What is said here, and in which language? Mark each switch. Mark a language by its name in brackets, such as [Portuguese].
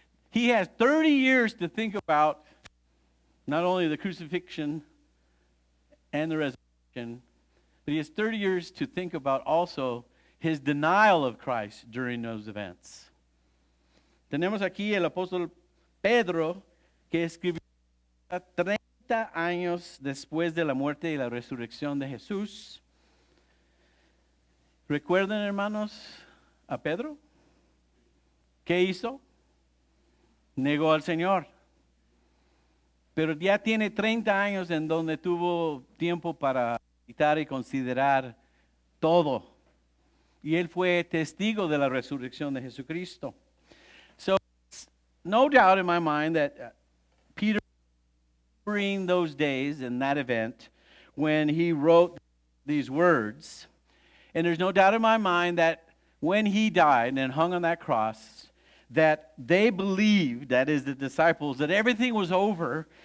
[English] He has 30 years to think about not only the crucifixion and the resurrection, but he has 30 years to think about also his denial of Christ during those events. [Spanish] Tenemos aquí el apóstol Pedro que escribió 30 años después de la muerte y la resurrección de Jesús, ¿recuerdan, hermanos, a Pedro? ¿Qué hizo? Negó al Señor. Pero ya tiene 30 años en donde tuvo tiempo para meditar y considerar todo. Y él fue testigo de la resurrección de Jesucristo. [English] So, no doubt in my mind that Peter during those days and that event when he wrote these words. And there's no doubt in my mind that when he died and hung on that cross, that they believed, that is the disciples, that everything was over.